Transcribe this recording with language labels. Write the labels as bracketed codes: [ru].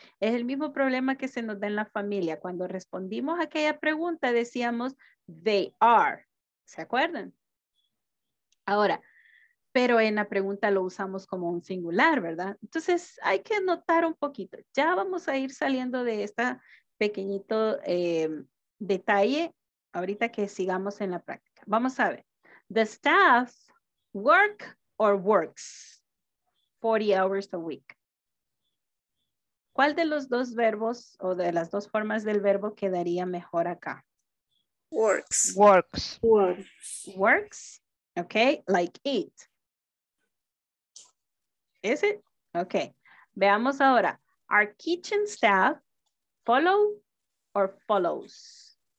[es] Es el mismo problema que se nos da en la familia. Cuando respondimos a aquella pregunta decíamos [en] they are, [es] ¿se acuerdan? Ahora, pero en la pregunta lo usamos como un singular, ¿verdad? Entonces hay que notar un poquito. Ya vamos a ir saliendo de esta pequeñito detalle ahorita que sigamos en la práctica. Vamos a ver. [en] The staff work or works 40 hours a week. [es] ¿Cuál de los dos verbos o de las dos formas del verbo quedaría mejor acá? [en] Works. Works. Works. Works. Okay, like eat. Is it? Okay. [es] Veamos ahora. [en] Our kitchen staff follow or follows?